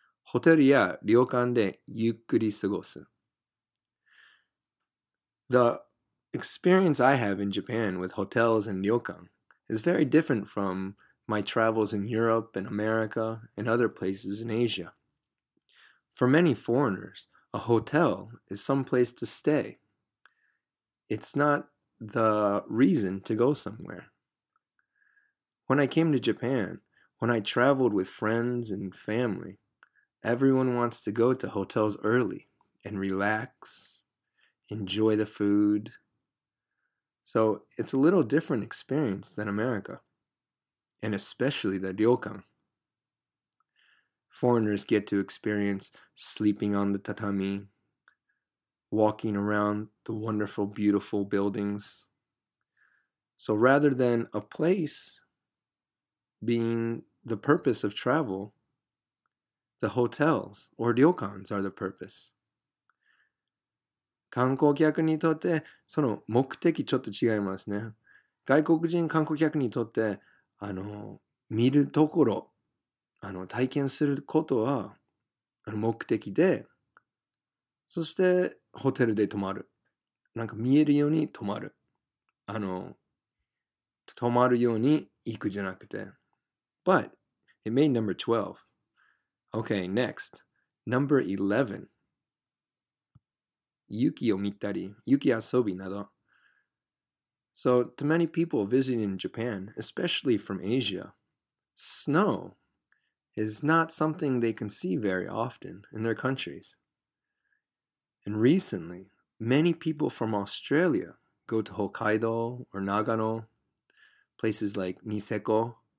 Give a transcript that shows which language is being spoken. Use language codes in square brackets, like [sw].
[ja] ホテルや旅館でゆっくり過ごす。 [en] The experience I have in Japan with hotels and ryokan is very different from my travels in Europe and America and other places in Asia. For many foreigners, a hotel is some place to stay. It's not the reason to go somewhere. When I came to Japan, when I traveled with friends and family, Everyone wants to go to hotels early and relax, enjoy the food. So it's a little different experience than America, and especially the ryokan. Foreigners get to experience sleeping on the tatami, walking around the wonderful, beautiful buildings. So rather than a place being the purpose of travel, the hotels or ryokans are the purpose. [ja] 観光客にとってその目的ちょっと違いますね。外国人観光客にとって見るところ体験することは目的で、そしてホテルで泊まる、なんか見えるように泊まる、泊まるように行くじゃなくて。 [en] But it made number 12. Okay, next. Number 11. [ja] 雪を見たり、雪遊びなど。 [en] So, to many people visiting Japan, especially from Asia, snow is not something they can see very often in their countries. And recently, many people from Australia go to Hokkaido or Nagano, places like Niseko.